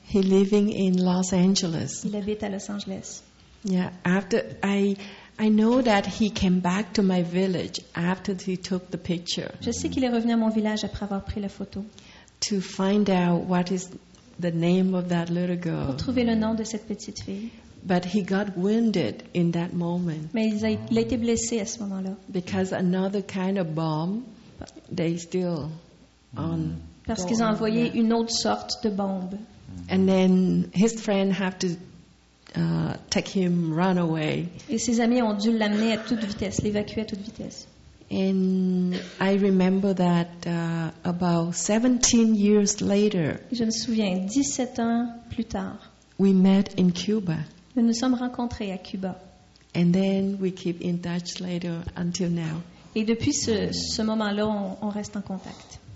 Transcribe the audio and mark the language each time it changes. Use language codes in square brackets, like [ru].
[en] He living in Los Angeles. [fr] Il habite à Los Angeles. [en] Yeah, after I know that he came back to my village after he took the picture. [fr] Je sais qu'il est revenu à mon village après avoir pris la photo. [en] To find out what is the name of that little girl. [fr] Pour trouver le nom de cette petite fille. [en] But he got wounded in that moment. [fr] Mais il a été blessé à ce moment-là. [en] Because another kind of bomb, they still on. [fr] Parce qu'ils ont envoyé une autre sorte de bombe. [en] And then his friend have to take him run away. [fr] Et ses amis ont dû l'amener à toute vitesse, l'évacuer à toute vitesse. [en] And I remember that about 17 years later. [fr] Je me souviens, 17 ans plus tard. [en] We met in Cuba. [fr] Nous nous sommes rencontrés à Cuba. [en] And then we keep in touch later until now. [fr] Et depuis ce moment-là, on reste en contact.